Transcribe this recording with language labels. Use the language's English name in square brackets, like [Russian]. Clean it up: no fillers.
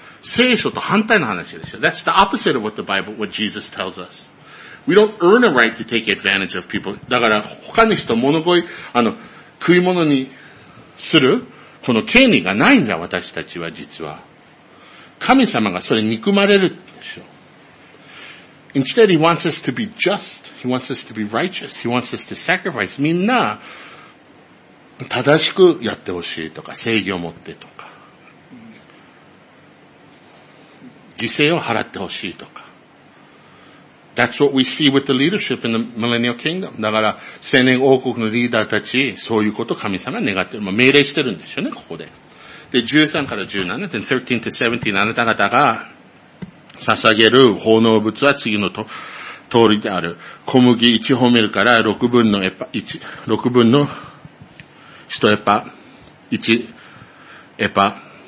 [Japanese] 聖書と反対の話でしょ。 [English] That's the opposite of what the Bible, what Jesus tells us. We don't earn a right to take advantage of people. [Japanese] だから他の人物乞い、あの、食い物にする、この権利がないんだ、私たちは実は。神様がそれ憎まれるでしょ。 [English] Instead, he wants us to be just. He wants us to be righteous. He wants us to sacrifice. [Japanese] みんな、正しくやってほしいとか、正義を持ってとか、犠牲を払ってほしいとか。 [English] That's what we see with the leadership in the millennial kingdom. [Japanese] だから、千年王国のリーダーたち、そういうこと神様願ってる。まあ、命令してるんですよね、ここで。で、13から17、 [English] 13 to 17、 [Japanese] あなた方が、捧げる奉納物は次の通りである。小麦1ホメルから6分のエパ、6分の1エパ、1エパ。